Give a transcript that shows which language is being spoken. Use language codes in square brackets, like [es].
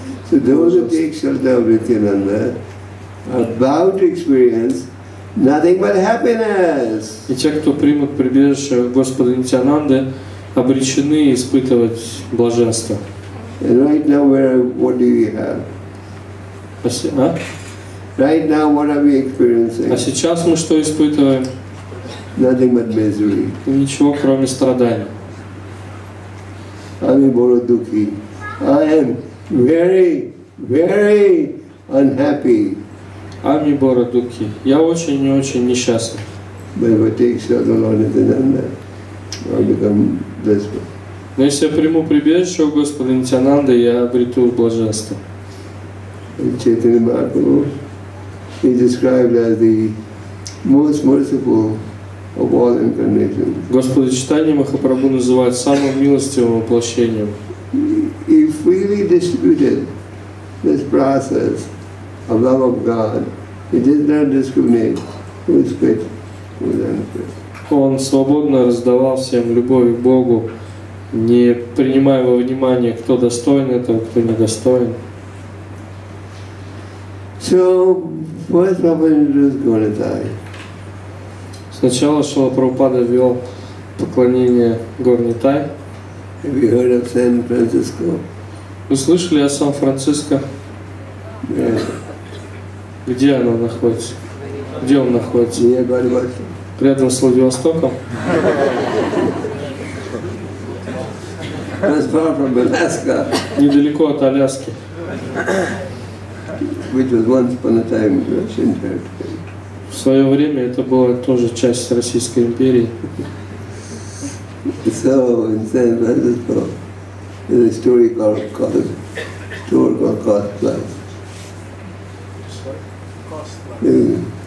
[en] So those who take shelter of Nityananda are about to experience nothing but happiness. [ru] И те, кто примут прибежище Господа Нитянанды, обречены испытывать блаженство. [en] And right now, what do we have? Right now, what are we experiencing? [ru] А сейчас мы что испытываем? [en] Nothing but misery. [ru] Ничего кроме страданий. [bn] Ами боро духи. [en] I am very, very unhappy. [bn] Ами боро духи. [ru] Я очень и очень несчастлив. [en] But if I take shelter of Nityananda, I become blissful. [ru] Но если я приму прибежище у Господа Нитянанды, я обрету блаженство. [en] Чайтанья Махапрабху he described as the most merciful of all incarnations. [ru] Господа Чайтанья Махапрабху называют самым милостивым воплощением. [en] He freely distributed this process of love of God. He did not discriminate who is fit, who is unfit. [ru] Он свободно раздавал всем любовь к Богу, не принимая во внимание, кто достоин этого, кто недостоин. [en] So, first Prabhupada introduced Govindai. [ru] Сначала Шрила Прабхупада ввел поклонение Говиндай. [en] Have you heard of San Francisco? [ru] Вы слышали о Сан-Франциско? [en] Yeah. [ru] Где оно находится? Где он находится? [en] Yeah, [ru] рядом с Владивостоком? [en] That's far from Alaska. [ru] Недалеко от Аляски. [en] Which was once upon a time Russian territory. [ru] В свое время это была тоже часть Российской империи. [en] So in San Francisco, there's a story called tour called Cost Plus. Cost Plus.